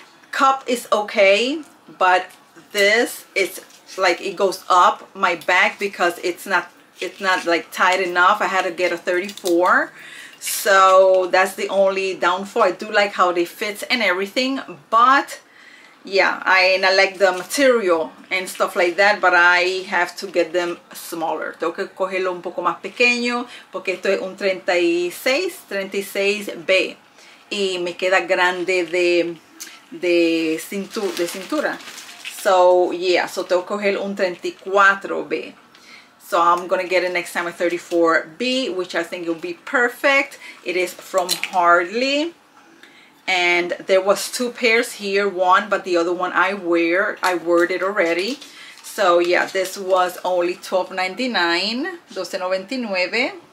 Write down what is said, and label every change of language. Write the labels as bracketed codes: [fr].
[en] Cup is okay, but this is like, it goes up my back because it's not like tight enough. I had to get a 34, so that's the only downfall. I do like how they fit and everything, but yeah, I like the material and stuff like that, but I have to get them smaller. [es] Tengo que cogerlo un poco más pequeño porque esto es un 36B y me queda grande de cintura. So yeah, so tengo que coger un 34B. [en] So I'm going to get it next time, a 34B, which I think will be perfect. It is from Harley. And there was two pairs here. One, but the other one I wore it already. So yeah, this was only $12.99.